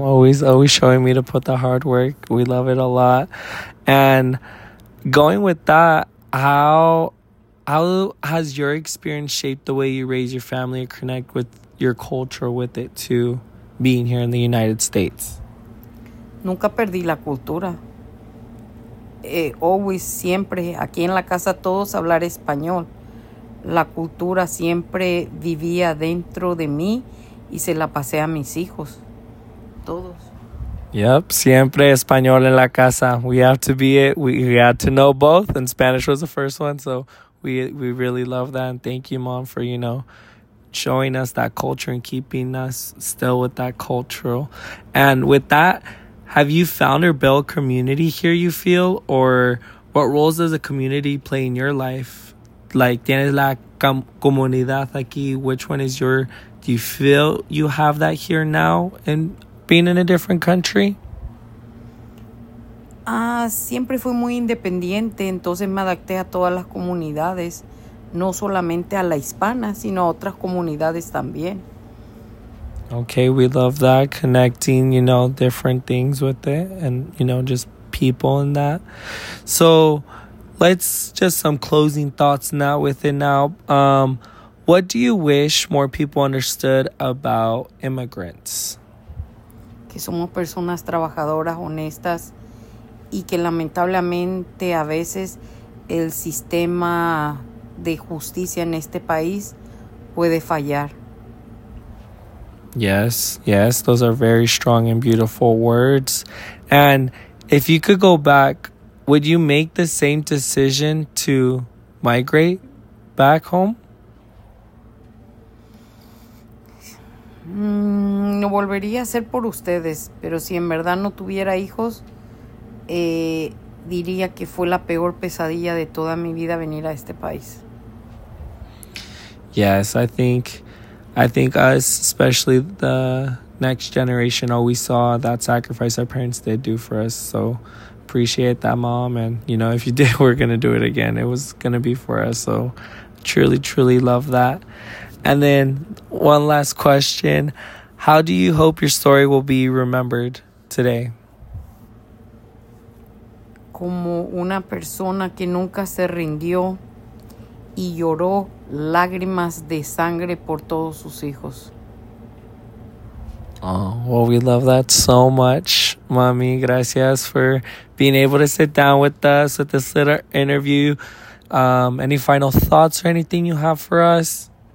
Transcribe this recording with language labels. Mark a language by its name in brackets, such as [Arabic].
[English] Always showing me to put the hard work. We love it a lot. And going with that, how has your experience shaped the way you raise your family and connect with your culture with it too, being here in the United States? [Spanish] Nunca perdí la cultura. Always, siempre, aquí en la casa todos hablar español. La cultura siempre vivía dentro de mí y se la pasé a mis hijos, todos. Yep, siempre español en la casa. [English] We have to be it. We had to know both, and Spanish was the first one. So we really love that. And thank you, Mom, for, you know, showing us that culture and keeping us still with that cultural. And with that, have you found or built community here, you feel? Or what roles does a community play in your life? Like, [Spanish] tienes la comunidad aquí. [English] Which one is your Do you feel you have that here now and being in a different country? [Spanish] Siempre fui muy independiente, entonces me adapté a todas las comunidades, no solamente a la hispana, sino a otras comunidades también. [English] Okay, we love that, connecting, you know, different things with it and, you know, just people and that. So let's just some closing thoughts now with it now. What do you wish more people understood about immigrants? [Spanish] Que somos personas trabajadoras, honestas, y que lamentablemente a veces el sistema de justicia en este país puede fallar. [English] Yes, yes, those are very strong and beautiful words. And if you could go back, would you make the same decision to migrate back home? [Spanish] No volvería a ser por ustedes, pero si en verdad no tuviera hijos, diría que fue la peor pesadilla de toda mi vida venir a este país. [English] Yes, I think us, especially the next generation, always saw that sacrifice our parents did do for us. So appreciate that, Mom. And, you know, if you did, we're going to do it again. It was going to be for us. So truly, truly love that. And then one last question. How do you hope your story will be remembered today? [Spanish] Como una persona que nunca se rindió y lloró lágrimas de sangre por todos sus hijos. [English] Oh, well, we love that so much, Mommy. Gracias for being able to sit down with us with this little interview. Any final thoughts or anything you have for us?